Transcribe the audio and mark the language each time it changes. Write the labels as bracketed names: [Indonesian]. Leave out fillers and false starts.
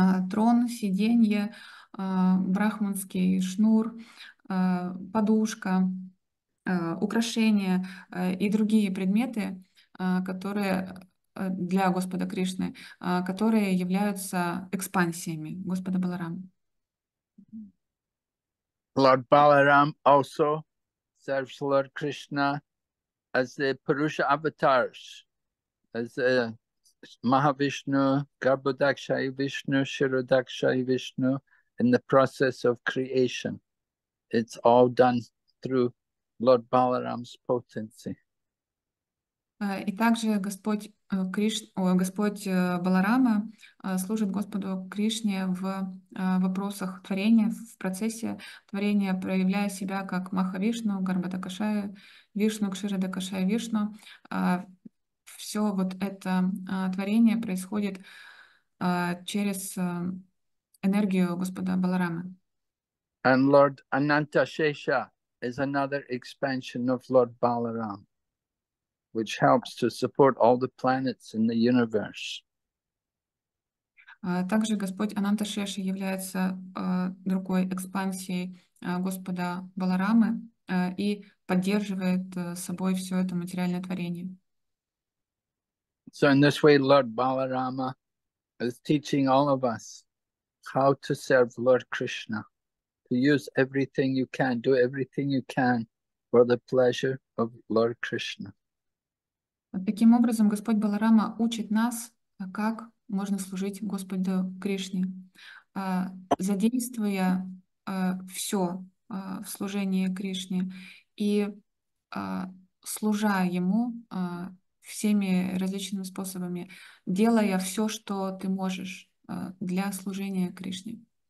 [Russian] трон, сиденье, брахманский шнур, подушка, украшения и другие предметы, которые для господа Кришны, которые являются экспансиями господа Баларама. [English] Lord Balaram also serves Lord Krishna as the Purusha avatars, as the Mahavishnu, Garbhodakshayi Vishnu, Shirodakshayi Vishnu, in the process of creation. It's all done through Lord Balaram's potency. [Russian] И также господь Баларама служит господу Кришне в вопросах творения, в процессе творения, проявляя себя как Махавишну, Гарбхадакшая Вишну, Кширадакшая Вишну. Все вот это творение происходит через энергию господа Баларамы. [English] And Lord Anantashesha is another expansion of Lord Balaram, which helps to support all the planets in the universe. [Russian] Также господь Ананташеша является другой экспансией господа Баларамы и поддерживает собой все это материальное творение. [English] So in this way, Lord Balarama is teaching all of us how to serve Lord Krishna, to use everything you can, do everything you can for the pleasure of Lord Krishna. [Russian] Таким образом, господь Баларама учит нас, как можно служить господу Кришне, задействуя все в служении Кришне и служа ему всеми различными способами, делая все, что ты можешь для служения Кришне.